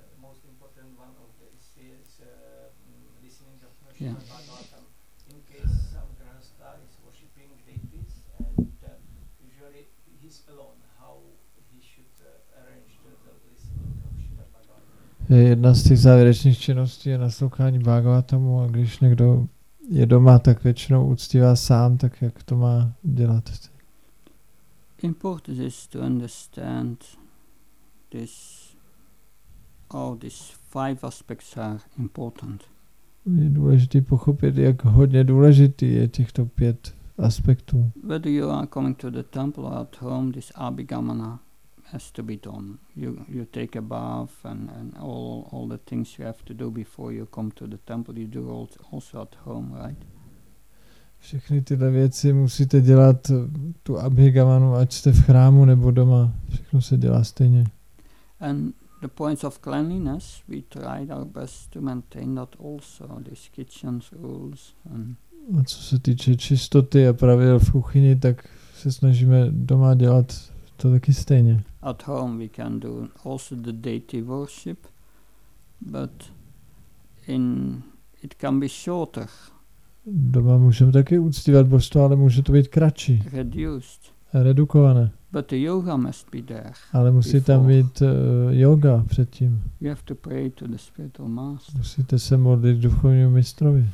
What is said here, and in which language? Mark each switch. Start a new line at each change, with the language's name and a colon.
English: Most important one of the is listening of Nashima Bhagavatam. In case some Granastha is worshipping deities and usually he's alone, how he should arrange the listening of Nashima Bhagavatam.
Czech: Jedna z těch závěrečných činností je naslouchání Bhagavatamu, a když někdo je doma, tak většinou uctívá sám, tak jak to má dělat.
English: Important is to understand this, all these five aspects are important.
Czech: Je důležité pochopit, jak hodně důležitý je těchto pět aspektů.
English: Whether you are coming to the temple or at home, this abhigamana has to be done. You take a bath and all the things you have to do before you come to the temple, you do also at home, right?
Czech: Všechny tyhle věci musíte dělat, tu abhigamanu, ať jste v chrámu nebo doma. Všechno se dělá stejně.
English: And the points of cleanliness, we tried our best to maintain that also, these kitchen rules. And
Czech: a co se týče čistoty a pravidel v kuchyni, tak se snažíme doma dělat to taky stejně.
English: At home we can do also the deity worship, but in it can be shorter.
Czech: Doma můžeme taky uctívat božstvo, ale může to být kratší.
English: Reduced.
Czech: Redukované.
English: But the yoga must be there.
Czech: Ale musí
English: before.
Czech: Tam být yoga předtím.
English: You have to pray to the spiritual master.
Czech: Musíte se modlit duchovnímu mistrovi.